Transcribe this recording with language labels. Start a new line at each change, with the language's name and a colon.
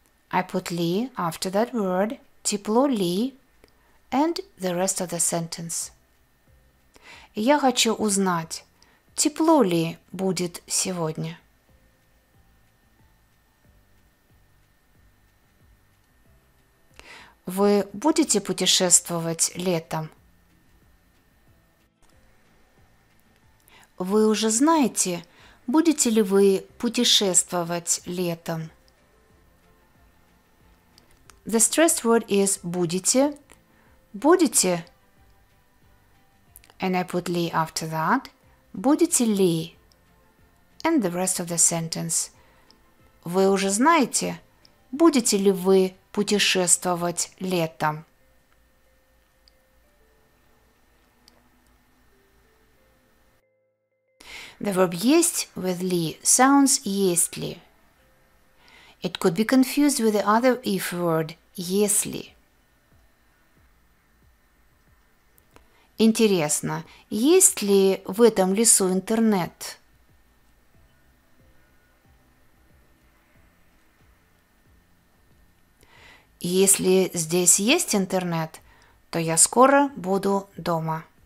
English: I put ли after that word, тепло ли, and the rest of the sentence.
Russian: Я хочу узнать, тепло ли будет сегодня? Вы будете путешествовать летом? Вы уже знаете, будете ли вы путешествовать летом?
English: The stressed word is будете. Будете. And I put ли after that. Будете ли? And the rest of the sentence.
Russian: Вы уже знаете, будете ли вы путешествовать летом?
English: The verb есть with ли sounds есть ли. It could be confused with the other if word, если.
Russian: Интересно, есть ли в этом лесу интернет? Если здесь есть интернет, то я скоро буду дома.